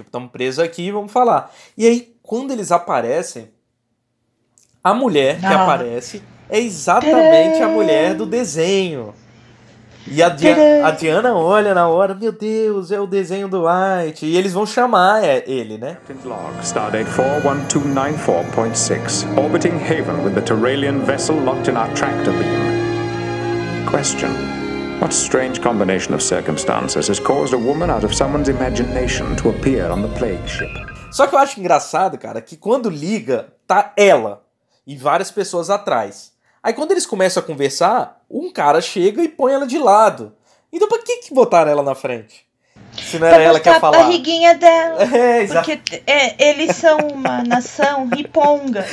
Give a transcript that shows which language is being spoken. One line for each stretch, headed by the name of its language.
Portuguese: Estamos presos aqui, vamos falar. E aí, quando eles aparecem, a mulher que aparece é exatamente a mulher do desenho. E a Diana olha na hora, meu Deus, é o desenho do White. E eles vão chamar ele, né?
English: Captain Vlog, Stardate 41294.6, orbiting Haven with the Terralian vessel locked in our tractor beam. Question: what strange combination of circumstances has caused a woman out of someone's imagination to appear on the plague ship?
Portuguese: Só que eu acho engraçado, cara, que quando liga, tá ela. E várias pessoas atrás. Aí quando eles começam a conversar, um cara chega e põe ela de lado. Então pra que botaram ela na frente? Se não era ela que ia falar. Pra mostrar a barriguinha dela. É, exato. Porque eles são uma nação riponga.